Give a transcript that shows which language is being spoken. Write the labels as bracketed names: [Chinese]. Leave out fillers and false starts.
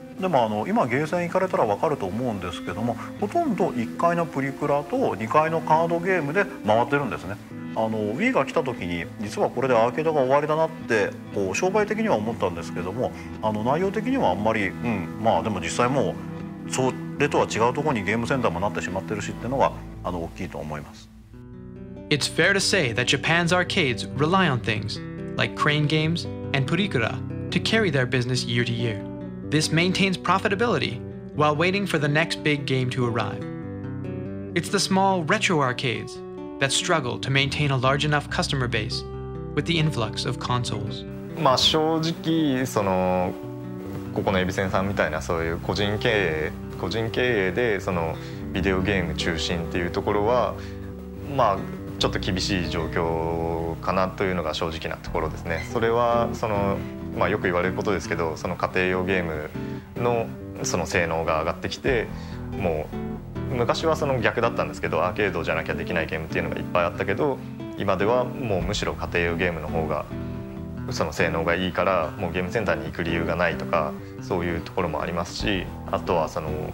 [Japanese] でも今ゲーセン行かれたら分かると思うんですけども、ほとんど1階のプリクラと2階のカードゲームで回ってるんですね。 Wii が来た時に実はこれでアーケードが終わりだなってこう商売的には思ったんですけども、内容的にはあんまり、まあでも実際もうそれとは違うところにゲームセンターもなってしまってるしっていうのが大きいと思います。 [English] It's fair to say that Japan's arcades rely on things like crane games and Purikura to carry their business year to yearThis maintains profitability while waiting for the next big game to arrive. It's the small retro arcades that struggle to maintain a large enough customer base with the influx of consoles. [Japanese] まあ正直そのここのエビセンさんみたいなそういう個人経営でそのビデオゲーム中心っていうところはまあちょっと厳しい状況かなというのが正直なところですね。それはそのまあ、よく言われることですけど、その家庭用ゲームの、 その性能が上がってきて、もう昔はその逆だったんですけど、アーケードじゃなきゃできないゲームっていうのがいっぱいあったけど、今ではもうむしろ家庭用ゲームの方がその性能がいいから、もうゲームセンターに行く理由がないとかそういうところもありますし、あとはその、